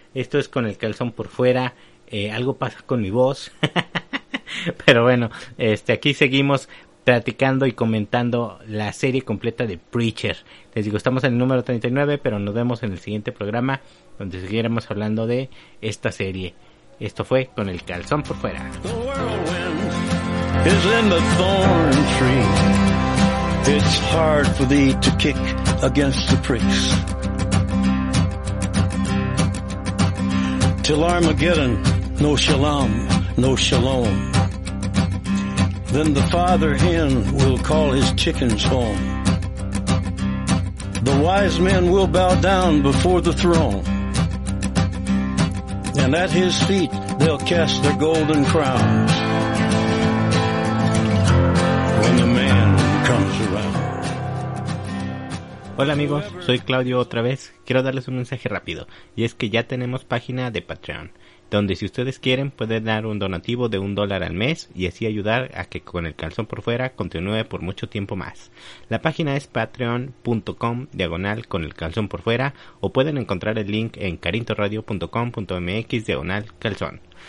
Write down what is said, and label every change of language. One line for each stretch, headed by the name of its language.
Spanish: Esto es Con el Calzón por Fuera. Algo pasa con mi voz. Pero bueno, este, aquí seguimos platicando y comentando la serie completa de Preacher. Les digo, estamos en el número 39, pero nos vemos en el siguiente programa donde seguiremos hablando de esta serie. Esto fue Con el Calzón por Fuera.
English: The whirlwind is in the thorn tree. It's hard for thee to kick against the pricks. Till Armageddon, no shalom, no shalom. Then the father hen will call his chickens home. The wise men will bow down before the throne. And at his feet they'll cast their golden crowns. When the man comes around.
Spanish: Hola amigos, soy Claudio otra vez. Quiero darles un mensaje rápido. Y es que ya tenemos página de Patreon, donde si ustedes quieren pueden dar un donativo de $1 al mes y así ayudar a que Con el Calzón por Fuera continúe por mucho tiempo más. La página es patreon.com/con el calzón por fuera o pueden encontrar el link en carintoradio.com.mx/calzón.